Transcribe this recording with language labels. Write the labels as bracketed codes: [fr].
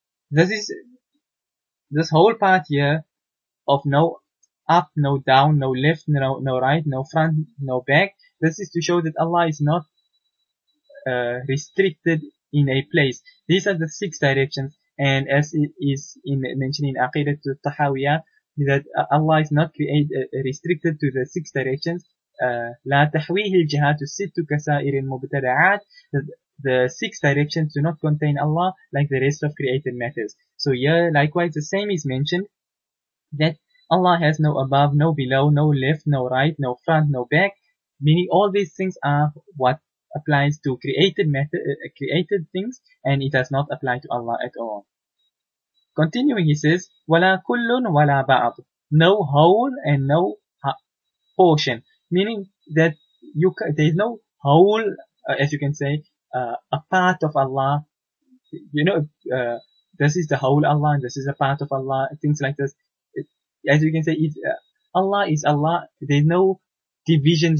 [en] This whole part here of no up, no down, no left, no right, no front, no back. This is to show that Allah is not restricted in a place. These are the six directions. And as it is mentioned in Aqidat al-Tahawiyah, that Allah is not restricted to the six directions. [ar] لا تحويه الجهات الست كسائر المبتدعات. [en] The six directions do not contain Allah like the rest of created matters. So here, likewise, the same is mentioned, that Allah has no above, no below, no left, no right, no front, no back. Meaning all these things are what applies to created things, and it does not apply to Allah at all. Continuing, he says, [ar] وَلَا كُلٌ وَلَا بَعْضٌ. [en] No whole and no portion. Meaning that there is no whole, as you can say, a part of Allah. You know, this is the whole Allah and this is a part of Allah, things like this. As you can say, Allah is Allah. There is no divisions.